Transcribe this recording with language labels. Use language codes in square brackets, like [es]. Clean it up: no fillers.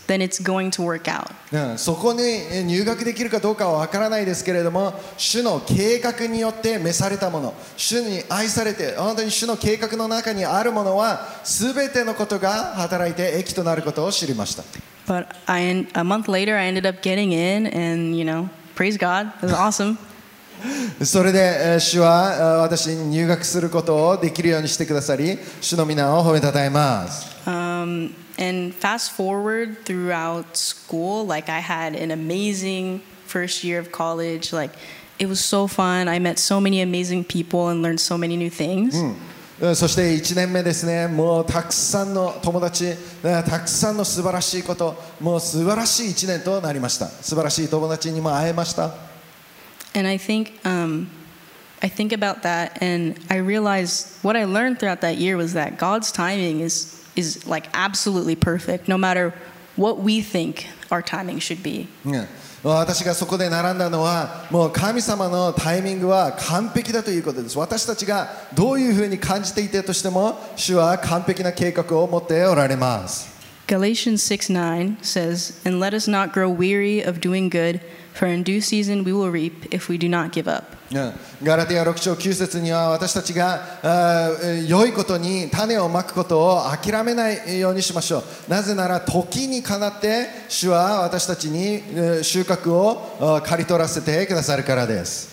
[en] Then it's going to work out. [ja] そこに入学できるかどうかは分からないですけれども、主の計画によって召されたもの、主に愛されて、本当に主の計画の中にあるものは、すべてのことが働いて益となることを知りました。 [en] But a month later, I ended up getting in, and you know, praise God, it was awesome. [ja] それで主は私に入学することをできるようにしてくださり、主の皆を褒めたたえます。 [en] And fast forward throughout school, like I had an amazing first year of college. Like it was so fun. I met so many amazing people and learned so many new things. [ja] そして1年目ですね。もうたくさんの友達、たくさんの素晴らしいこと、もう素晴らしい1年となりました。素晴らしい友達にも会えました。 [en] And I think about that and I realized what I learned throughout that year was that God's timing is like absolutely perfect, no matter what we think our timing should be. [ja] 私がそこで並んだのは、もう神様のタイミングは完璧だということです。私たちがどういうふうに感じていてとしても、主は完璧な計画を持っておられます。 [en] Galatians 6:9 says, "And let us not grow weary of doing good, for in due season we will reap if we do not give up." [ja] ガラティア6章9節には私たちが良いことに種をまくことを諦めないようにしましょう。なぜなら時にかなって主は私たちに収穫を刈り取らせてくださるからです。